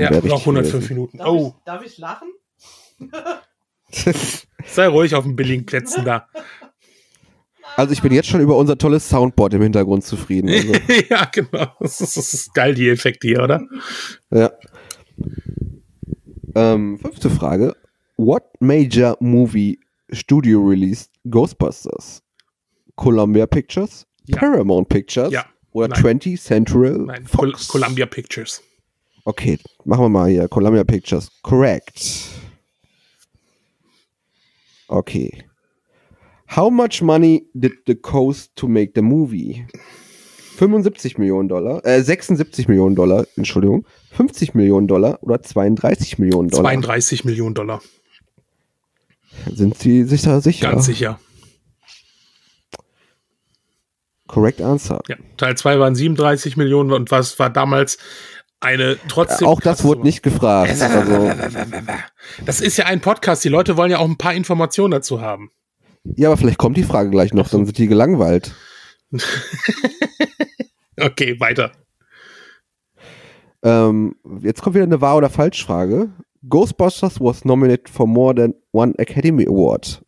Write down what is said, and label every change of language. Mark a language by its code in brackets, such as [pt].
[de] Ja, noch 105 gewesen. Minuten. Oh. Darf ich lachen? Sei ruhig auf den billigen Plätzen da. Also ich bin jetzt schon über unser tolles Soundboard im Hintergrund zufrieden. Also. Ja, genau. Das ist geil, die Effekte hier, oder? Ja. Fünfte Frage. [en] What major movie studio released Ghostbusters? Columbia Pictures? [de] Ja. [en] Paramount Pictures? [de] Ja. Oder 20th Century Fox. [en] Columbia Pictures. [de] Okay, machen wir mal hier. [en] Columbia Pictures. Correct. [de] Okay. [en] How much money did the cost to make the movie? [de] 75 Millionen Dollar. 76 Millionen Dollar, Entschuldigung. 50 Millionen Dollar oder 32 Millionen Dollar? 32 Millionen Dollar. Sind Sie sich da sicher? Ganz sicher. [en] Correct answer. [de] Ja, Teil 2 waren 37 Millionen und was war damals eine trotzdem. Auch das wurde nicht gefragt. Also, das ist ja ein Podcast, die Leute wollen ja auch ein paar Informationen dazu haben. Ja, aber vielleicht kommt die Frage gleich noch, dann sind die gelangweilt. Okay, weiter. Jetzt kommt wieder eine Wahr- oder Falsch-Frage. [en] Ghostbusters was nominated for more than one Academy Award.